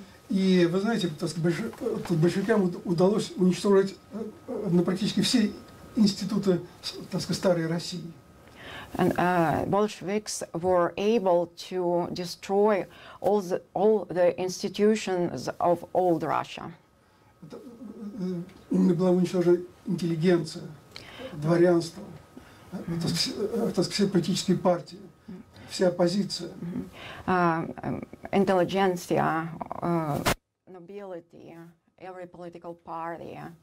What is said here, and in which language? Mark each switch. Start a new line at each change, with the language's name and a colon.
Russian: И вы знаете, большевикам удалось уничтожить практически все институты, так сказать, старой России.
English: And Bolsheviks were able to destroy all the institutions of old Russia.
Russian: Была уничтожена интеллигенция, дворянство, все политические партии, вся оппозиция.
English: Intelligentsia, nobility, every political party.